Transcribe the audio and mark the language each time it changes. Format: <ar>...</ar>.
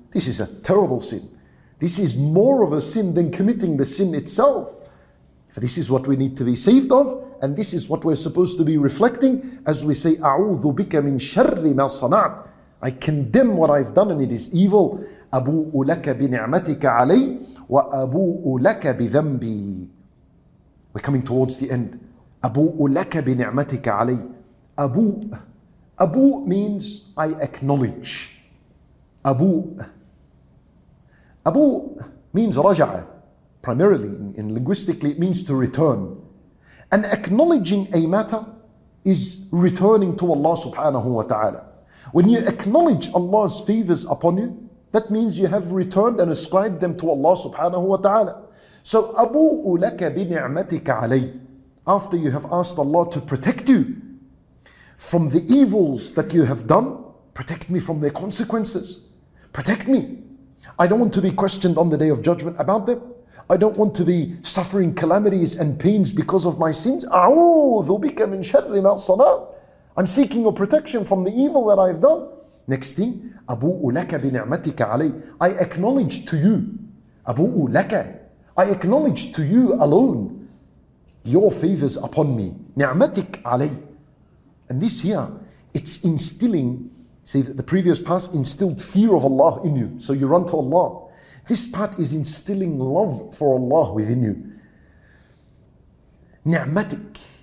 <en>This is a terrible sin. This is more of a sin than committing the sin itself. For this is what we need to be saved of, and this is what we're supposed to be reflecting as we say,</en> <ar>أعوذ بك من شر ما صنعت.</ar> <en>I condemn what I've done, and it is evil.</en> <ar>أبوء لك بنعمتك علي وأبوء لك بذنبي.</ar> <en>We're coming towards the end.</en> <ar>أبوء لك بنعمتك علي. أبوء.</ar> <en>أبوء means I acknowledge.</en> <ar>أبوء. أبوء</ar> <en>means</en> <ar>رجع.</ar> <en>Primarily, in linguistically, it means to return. And acknowledging a matter is returning to Allah subhanahu wa ta'ala. When you acknowledge Allah's favors upon you, that means you have returned and ascribed them to Allah subhanahu wa ta'ala. So,</en> <ar>أبوء لك بنعمتك علي.</ar> <en>After you have asked Allah to protect you from the evils that you have done, protect me from their consequences. Protect me. I don't want to be questioned on the day of judgment about them. I don't want to be suffering calamities and pains because of my sins.</en> <ar>أعوذ بك من شر ما صنعت.</ar> <en>I'm seeking your protection from the evil that I've done. Next thing,</en> <ar>أبوء لك بنعمتك علي.</ar> <en>I acknowledge to you.</en> <ar>أبوء لك.</ar> <en>I acknowledge to you alone your favors upon me.</en> <ar>نعمتك علي.</ar> <en>And this here, it's instilling, see that the previous past instilled fear of Allah in you. So you run to Allah. This part is instilling love for Allah within you. Ni'matik.</en>